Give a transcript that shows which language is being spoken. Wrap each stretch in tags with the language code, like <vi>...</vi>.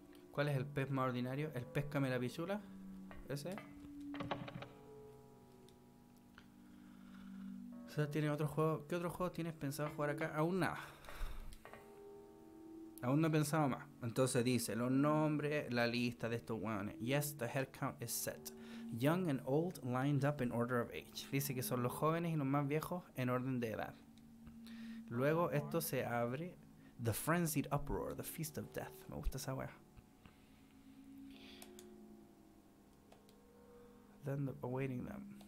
<es>¿Cuál es el pez más ordinario? El péscame la pichula. Ese. O sea, tiene otro juego. ¿Qué otro juego tienes pensado jugar acá? Aún nada. Aún no he pensado más. Entonces dice los nombres, la lista de estos weones.</es> <en>Yes, the head count is set. Young and old lined up in order of age.</en> <es>Dice que son los jóvenes y los más viejos en orden de edad. Luego esto se abre.</es> <en>The frenzied uproar, the feast of death.</en> <es>Me gusta esa wea.</es> <en>Awaiting them.</en>